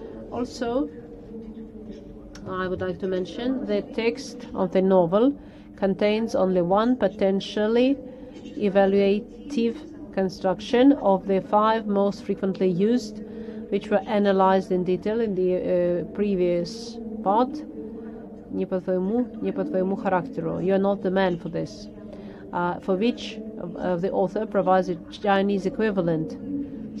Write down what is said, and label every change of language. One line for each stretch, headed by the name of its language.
English: Also, I would like to mention the text of the novel contains only one potentially evaluative construction of the five most frequently used, which were analyzed in detail in the previous part.
Russian: Не по твоему, не по твоему характеру.
English: You are not the man for this. For which the author provides a Chinese equivalent.